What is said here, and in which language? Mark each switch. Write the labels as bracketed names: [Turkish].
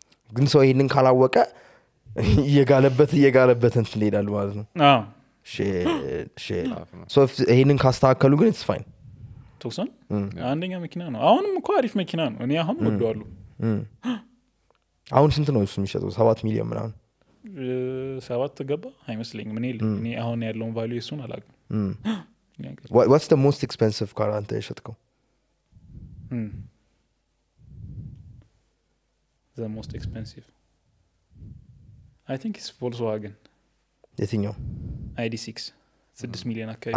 [Amharic] ግን ሰው ይሄንን ካላወቀ እየጋለበት እየጋለበት እንት ሊዳል ማለት ነው ሼ ሶ ይሄንን ካስተካከሉ ግን ኢትስ ፋይን ቶክሰን አንደኛ መኪና ነው አሁንም እኮ አሪፍ መኪና ነው እኔ አሁን ወደዋለሁ አሁን ስንት ነው እሱ የሚሸጠው 7 ሚሊዮን ምናምን 7 ገባ አይመስለኝም ምን ይል እኔ አሁን ያለውን ቫልዩ እሱን አላውቅም [English] what's the most expensive car [Amharic] አንተ የሸጥከው [English] the most expensive I think it's Volkswagen [Amharic] የትኛው ID6 6 ሚሊዮን አካባቢ